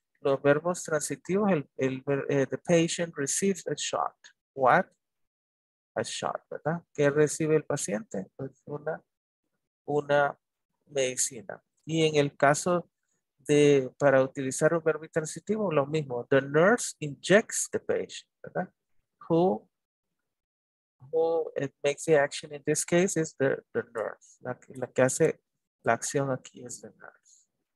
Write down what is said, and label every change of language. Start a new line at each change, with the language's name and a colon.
Spanish: Los verbos transitivos,
English: the patient receives a shot. What? A shot, ¿verdad?
Spanish: ¿Qué recibe el paciente? Pues una medicina. Y en el caso de, para utilizar un verbo intransitivo, lo mismo.
English: The nurse injects the patient, ¿verdad? Who makes the action in this case is the nurse.
Spanish: La que hace la acción aquí es
English: the nurse.